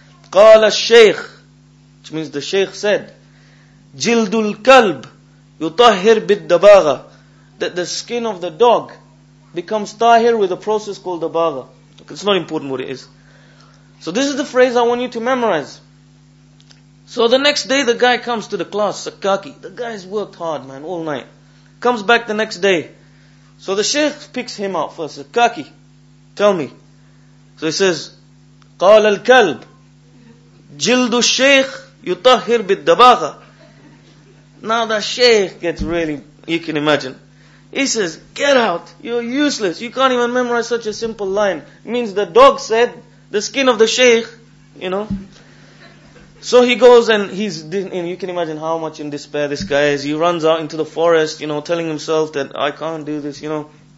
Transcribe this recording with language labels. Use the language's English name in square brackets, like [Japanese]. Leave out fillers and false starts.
[Arabic] Qala shaykh, [English] which means the shaykh said, [Arabic] Jildul kalb yutahhir bid-dabagha, [English] that the skin of the dog becomes tahir with a process called dabagha. It's not important what it is. So this is the phrase I want you to memorize. So the next day the guy comes to the class, Sakaki. The guy's worked hard, man, all night. Comes back the next day. So the sheikh picks him up first. Sakaki, tell me. So he says, [Arabic] قال الكلب جلد الشيخ يطهر بالدباغة. [English] Now the sheikh gets really, you can imagine. He says, get out, you're useless. You can't even memorize such a simple line. It means the dog said, the skin of the sheikh, you know. So he goes and he's, you can imagine how much in despair this guy is. He runs out into the forest, you know, telling himself that I can't do this, you know.